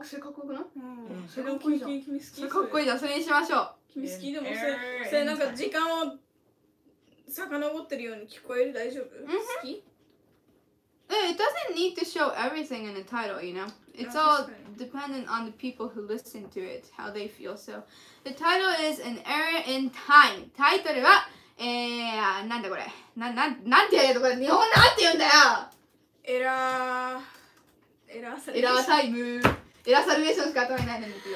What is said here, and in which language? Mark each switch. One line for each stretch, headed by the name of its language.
Japanese: あ、それかっこよくない？ それかっこいいじゃん。それかっこいいじゃん。それにしましょう。君好き？でもそれなんか時間を遡ってるように聞こえる？大丈夫？好き？
English: It doesn't need to show everything in the title, you know? It's all dependent on the people who listen to it, how they feel. So, the title is An Error in Time.
Japanese: タイトルは、なんだこれ？なんて言うんだこれ？日本なんて言うんだよ！エラー、エラータイム。エラーサルベーションしか頭にないのに。